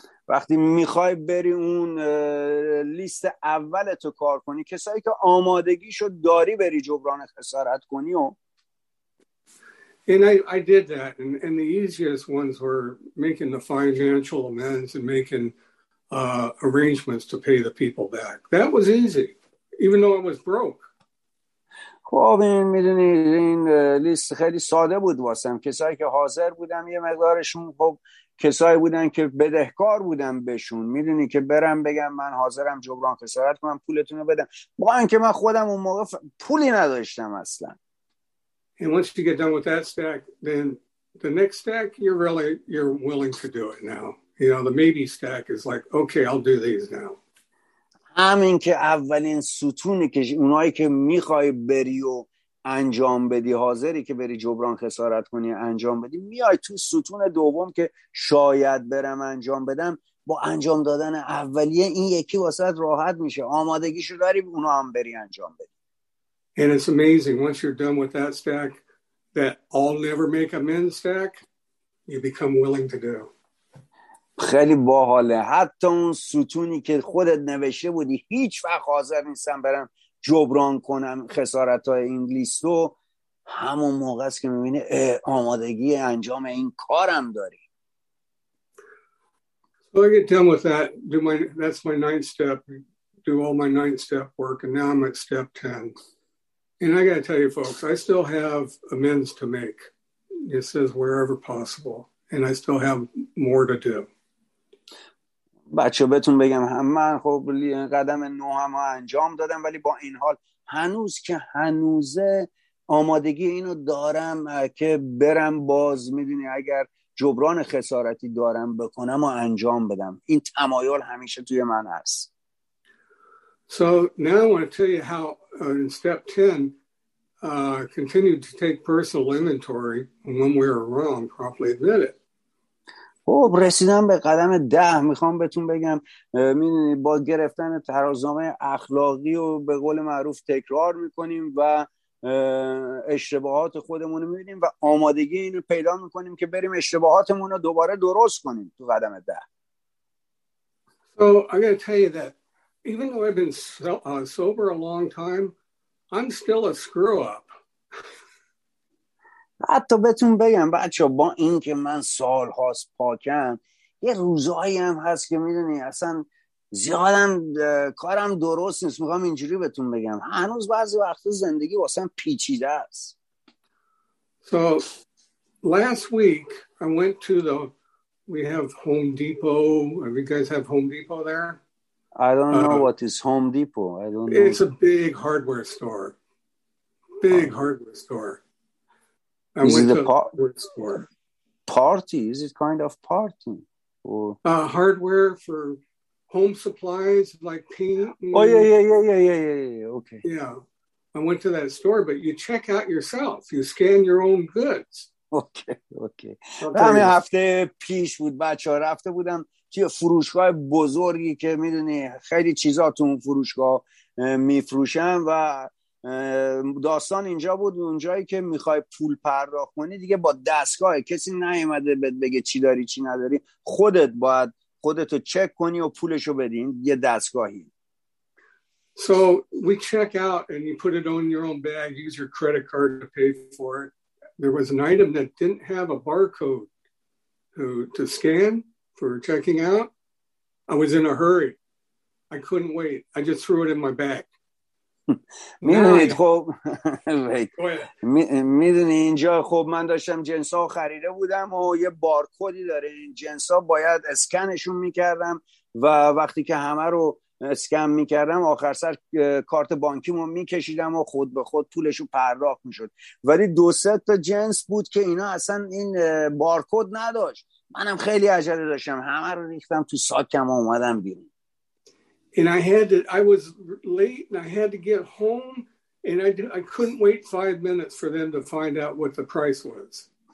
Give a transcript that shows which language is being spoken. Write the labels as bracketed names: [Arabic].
[Persian] وقتی میخوای بری اون لیست اولتو کار کنی کسایی که آمادگیشو داری بری جبران خسارت کنی و [English] And I did that. And the easiest ones were making the financial amends and making arrangements to pay the people back. That was easy, even though I was broke. [Persian] خب این میدونی این لیست خیلی ساده بود واسم. کسایی که حاضر بودم یه مقدارشون خب کسایی بودن که بدهکار بودم بهشون، میدونی که برم بگم من حاضرم جبران خسارت کنم پولتون رو بدم، با اینکه من خودم اون موقع پولی نداشتم اصلا. [English] And once you get done with that stack, then the next stack, you're willing to do it now. You know, the maybe stack is like, okay, I'll do these now. [Persian] همین که اولین ستونی که اونایی که میخوای بری و انجام بدی، حاضری که بری جبران خسارت کنی انجام بدی، میای تو ستون دوم که شاید برم انجام بدم، با انجام دادن اولیه این یکی واسه راحت میشه، آمادگیشو داری اونا هم بری انجام بدی. [English] And it's amazing once you're done with that stack, that I'll never make amends stack, you become willing to go. [Persian] خیلی باحاله، حتی اون ستونی که خودت نوشته بودی هیچ وقت حاضر نیستم برم جبران کنم خسارتهای این لیستو، همون موقع است که میبینه آمادگی انجام این کارم داری. [English] So I get done with that, that's my ninth step, do all my ninth step work, and now I'm at step 10. And I gotta tell you folks, I still have amends to make. It says wherever possible, and I still have more to do. [Persian] بچه بهتون بگم من خب قدم نهم رو انجام دادم، ولی با این حال هنوز که هنوزه آمادگی اینو دارم که برم باز، میدونی اگر جبران خسارتی دارم بکنم و انجام بدم، این تمایل همیشه توی من هست. [English] So now I want to tell you how in step 10 continue to take personal inventory when we are wrong, properly admit it. [Persian] خب رسیدم به قدم ده، میخوام بهتون بگم میدونی با گرفتن ترازنامه اخلاقی و به قول معروف تکرار میکنیم و اشتباهات خودمونو میبینیم و آمادگی اینو پیدا میکنیم که بریم اشتباهاتمونو دوباره درست کنیم تو قدم ده. [English] So I gotta tell you that even though I've been sober a long time, I'm still a screw up. [Persian] حتی بهتون بگم بچه با این که من سال هاست پاکم، یه روزایی هم هست که میدونی اصلا زیادم کارم درست نیست. میخوام اینجوری بهتون بگم هنوز بعضی وقت زندگی واسم پیچیده است. [English] So last week I went to the, we have Home Depot. Have you guys have Home Depot there? I don't know what is Home Depot. I don't know. It's a big hardware store. Big hardware store. I is it a party? Is it kind of party? Hardware for home supplies like paint. Okay. Yeah. I went to that store, but you check out yourself. You scan your own goods. Okay. [Persian] همین هفته پیش بود بچه ها، رفته بودم توی فروشگاه بزرگی که میدونی خیلی چیزا تو اون فروشگاه میفروشن و داستان اینجا بود، اونجایی که میخوای پول پرداخت کنی دیگه با دستگاه کسی نیومده بهت بگه چی داری چی نداری، خودت باید خودتو چک کنی و پولشو بدی، یه دستگاهی. [English] So we check out and you put it on your own bag, use your credit card to pay for it. There was an item that didn't have a barcode to scan for checking out. I was in a hurry. I couldn't wait. I just threw it in my bag. [Persian] میدونید خب میدونی اینجا خب من داشتم جنس ها خریده بودم و یه بارکودی داره این جنس ها، باید اسکنشون میکردم و وقتی که همه رو اسکن میکردم آخر سر کارت بانکیمو میکشیدم و خود به خود پولشو پرداخت میشد، ولی دو سه تا جنس بود که اینا اصلا این بارکود نداشت، منم خیلی عجله داشتم همه رو ریختم تو ساکم و اومدم بیرون. [English] And I was late and I had to get home and I couldn't wait 5 minutes for them to find out what the price was.